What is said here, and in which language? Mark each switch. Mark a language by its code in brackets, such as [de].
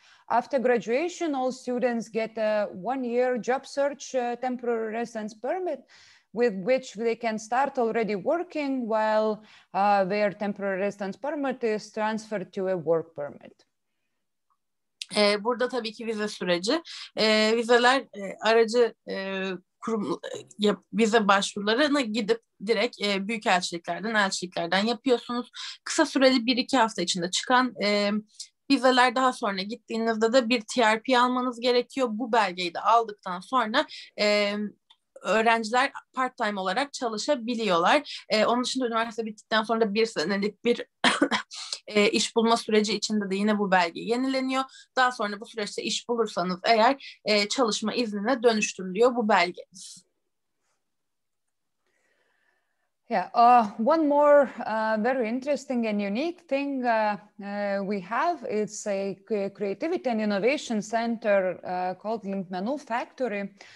[en] After graduation, all students get a one-year job search temporary residence permit with which they can start already working while their temporary residence permit is transferred to a work permit. [tr] Burada tabii ki vize süreci. Vizeler aracı kurum vize başvurularına gidip direkt büyükelçiliklerden, elçiliklerden yapıyorsunuz. Kısa süreli 1-2 hafta içinde çıkan vizeler daha sonra gittiğinizde de bir TRP almanız gerekiyor. Bu belgeyi de aldıktan sonra öğrenciler part-time olarak çalışabiliyorlar. Onun dışında üniversite bittikten sonra da bir senelik bir iş bulma süreci içinde de yine bu belge yenileniyor. Daha sonra bu süreçte iş bulursanız eğer çalışma iznine dönüştürülüyor bu belge. [en] Yeah, one more very interesting and unique thing we have. It's a creativity and innovation center called Linkmenų Factory.